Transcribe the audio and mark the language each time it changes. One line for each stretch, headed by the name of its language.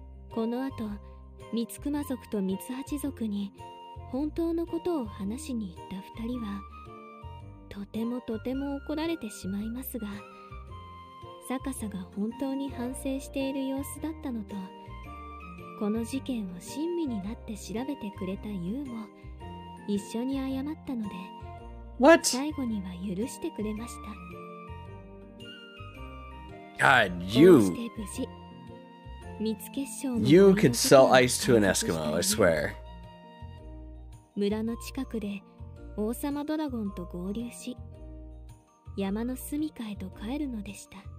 Japanese: このあと三つ熊族と三つ八族に本当のことを話しに行った二人はとてもとても怒られてしまいますが、サカサが本当に反省している様子だったのと、この事件を親身になって調べてくれたユウも一緒に謝ったので、
English: What?
Japanese: 最後には許してくれました。
English: God, you! You could sell ice to an Eskimo, I swear.
Japanese: 村の近くで王様ドラゴンと合流し、山の住処へと帰るのでした。